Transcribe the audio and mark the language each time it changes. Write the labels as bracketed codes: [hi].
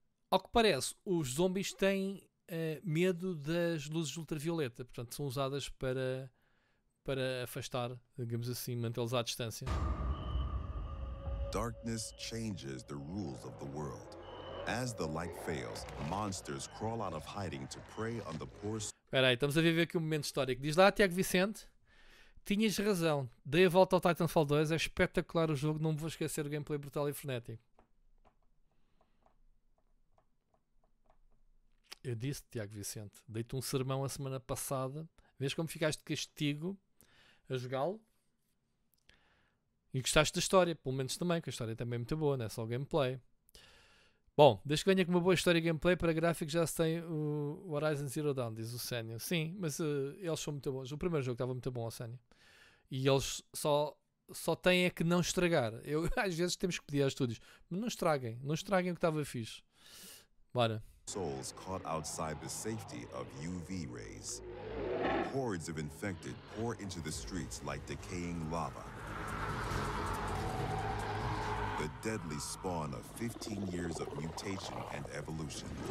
[pt] Ao que parece, os zombies têm medo das luzes ultravioleta. Portanto, são usadas para afastar, digamos assim, mantê-los à distância. [en] Darkness changes the rules of the world. As the light fails, monsters crawl out of hiding to prey on the poor. [pt] Peraí, estamos a viver aqui um momento histórico. Diz lá, Tiago Vicente, tinhas razão. Dei a volta ao Titanfall 2, é espetacular o jogo, não me vou esquecer o gameplay brutal e frenético. Eu disse, Tiago Vicente, dei-te um sermão a semana passada. Vês como ficaste de castigo a jogá-lo? E gostaste da história, pelo menos também, que a história também é muito boa, não é só o gameplay. Bom, desde que venha com uma boa história e gameplay, para gráficos já se tem o Horizon Zero Dawn, diz o Senio. Sim, mas eles são muito bons. O primeiro jogo estava muito bom, o Senio. E eles só têm é que não estragar. Eu, às vezes temos que pedir aos estúdios, mas não estraguem. Não estraguem o que estava fixe. Bora. [en] Souls caught outside the safety of UV rays. Hordes of infected pour into the streets like decaying lava. The deadly spawn of 15 years of mutation and evolution.